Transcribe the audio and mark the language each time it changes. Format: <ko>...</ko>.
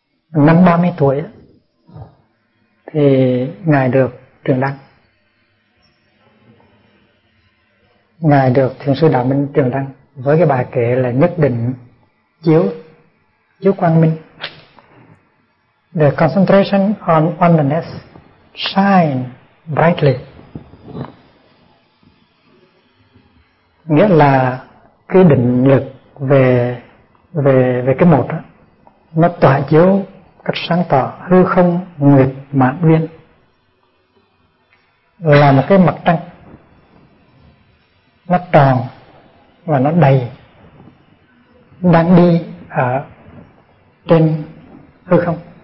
<vi>Năm 30 tuổi thì ngài được trường đăng. Ngài được thiền sư Đạo Minh trường đăng với cái bài kệ là nhất định chiếu quang minh.</vi> <en>The concentration on oneness shine brightly.</en> <vi>Nghĩa là cái định lực về cái một đó, nó tỏa chiếu cách sáng tỏ hư không nguyệt mãn nguyên, là một cái mặt trăng nó tròn và nó đầy, đang đi ở trên hư không.</vi>